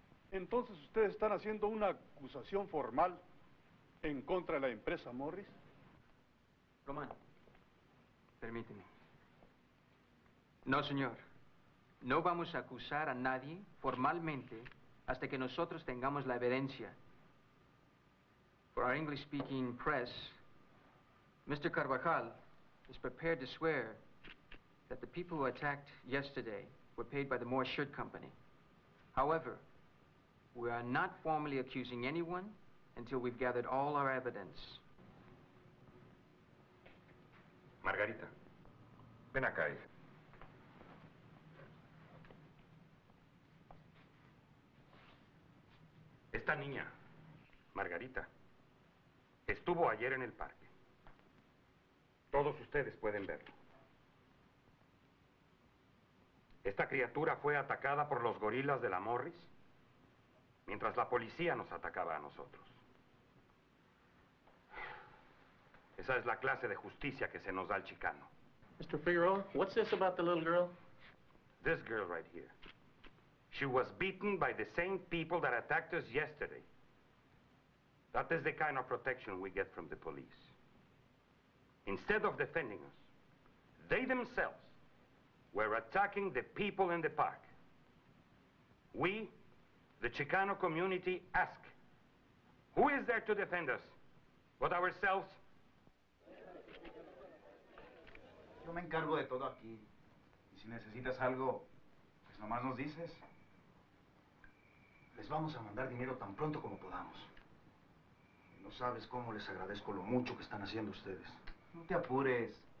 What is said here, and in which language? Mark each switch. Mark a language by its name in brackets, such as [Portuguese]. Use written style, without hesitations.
[Spanish] Entonces, ¿ustedes están haciendo una acusación formal en contra de la empresa Morris? Román, permíteme. No, señor. No vamos a acusar a nadie formalmente hasta que nosotros tengamos la evidencia. [English] For our English-speaking press, Mr. Carvajal is prepared to swear that the people who attacked yesterday were paid by the Morris Shirt Company. However, we are not formally accusing anyone until we've gathered all our evidence. [Spanish] Margarita, ven acá. Esta niña, Margarita, estuvo ayer en el parque. Todos ustedes pueden verlo. Esta criatura fue atacada por los gorilas de la Morris mientras la policía nos atacaba a nosotros. Esa es la clase de justicia que se nos da al chicano. [English] Mr. Figueroa, what's this about the little girl? This girl right here. She was beaten by the same people that attacked us yesterday. That is the kind of protection we get from the police. Instead of defending us, they themselves were attacking the people in the park. We, the Chicano community, ask, who is there to defend us but ourselves? [Spanish] Yo me encargo de todo aquí. Y si necesitas algo, pues nomás nos dices. Les vamos a mandar dinero tan pronto como podamos. Y no sabes cómo les agradezco lo mucho que están haciendo ustedes. No te apures.